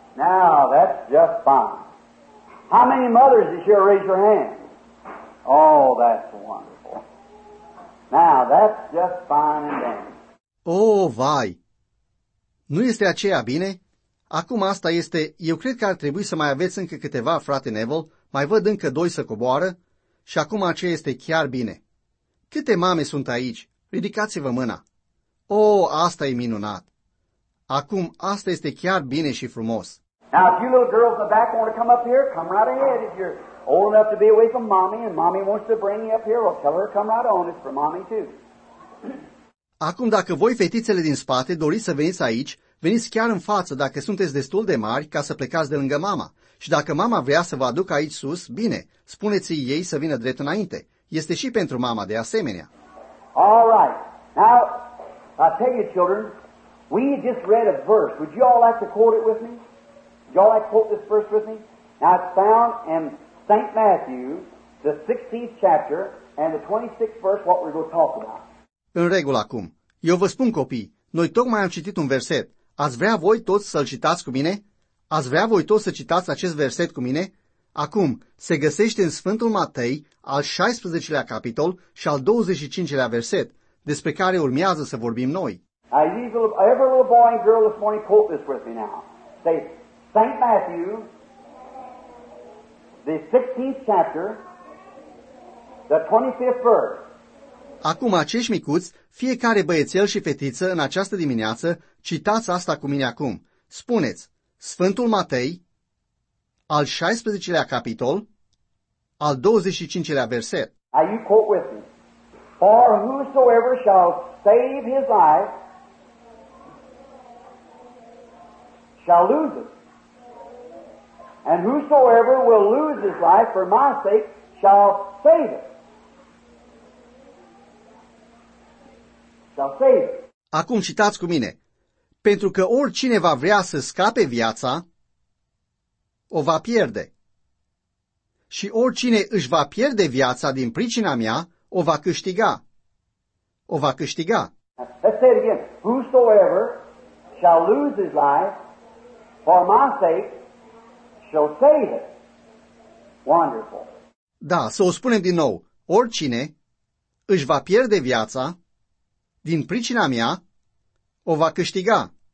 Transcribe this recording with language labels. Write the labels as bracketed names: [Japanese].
[English] Now, that's just fine. How many mothers is here? Raise your hand. Oh, that's wonderful. Now, that's just fine and dandy. [Romanian] Oh, vai! Nu este aceea bine? Acum asta este, eu cred că ar trebui să mai aveți încă câteva, frate Neville. Mai văd încă doi să coboară. Și acum aceea este chiar bine. Câte mame sunt aici? Ridicați-vă mâna. Oh, asta e minunat. Acum, asta este chiar bine și frumos. [English] Now, if you little girls in the back want to come up here, come right ahead. If you're old enough to be away from mommy and mommy wants to bring you up here, well, tell her to come right on. It's for mommy too. [Romanian] Acum, dacă voi, fetițele din spate, doriți să veniți aici, veniți chiar în față dacă sunteți destul de mari ca să plecați de lângă mama. Și dacă mama vrea să vă aducă aici sus, bine, spuneți-i ei să vină drept înainte. Este și pentru mama de asemenea. [English] All right. Now, I tell you, children, we just read a verse. Would you all like to quote it with me? Would you all like to quote this verse with me? Now, it's found in St. Matthew, the 16th chapter, and the 26th verse, what we're going to talk about. [Romanian] În regulă acum. Eu vă spun, copii, noi tocmai am citit un verset. Ați vrea voi toți să-l citați cu mine? Ați vrea voi toți să citați acest verset cu mine? Acum, se găsește în Sfântul Matei, al 16-lea capitol și al 25-lea verset, despre care urmează să vorbim noi. [English] Every little boy and girl this morning, quote this with me now. Say, St. Matthew, the 16th chapter, the 25th verse. [Romanian] Acum, acești micuți, fiecare băiețel și fetiță în această dimineață, citați asta cu mine acum. Spuneți, Sfântul Matei, al 16-lea capitol, al 25-lea verset. [English] Now you quote with me. For whosoever shall save his life shall lose it. And whosoever will lose his life for my sake shall save it. [Romanian] Acum citați cu mine. Pentru că oricine va vrea să scape viața, o va pierde. Și oricine își va pierde viața din pricina mea, o va câștiga. O va câștiga. [English] Let's say it again. Whosoever shall lose his life for my sake shall save it. Wonderful. [Romanian] Da, să o spunem din nou. Oricine își va pierde viața din pricina mea, o va câștiga.